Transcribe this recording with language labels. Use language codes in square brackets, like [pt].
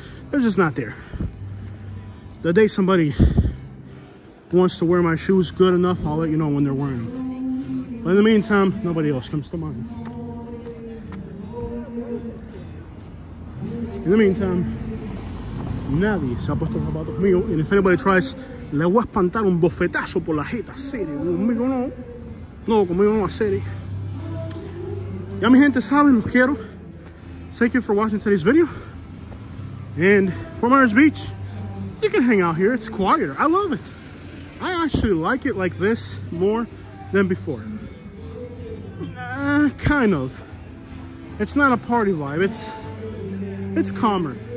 [en] They're just not there. The day somebody wants to wear my shoes good enough, I'll let you know when they're wearing them. But in the meantime, nobody else comes to mind. In the meantime, [es] nadie se ha puesto un zapato mío. [en] And if anybody tries, [es] le voy a espantar un bofetazo por la jeta, serie. Conmigo no. No, conmigo no, serie. Ya mi gente saben, los quiero. [en] Thank you for watching today's video. And Fort Myers Beach, you can hang out here. It's quieter. I love it. I actually like it like this more than before. Kind of. It's not a party vibe. It's calmer.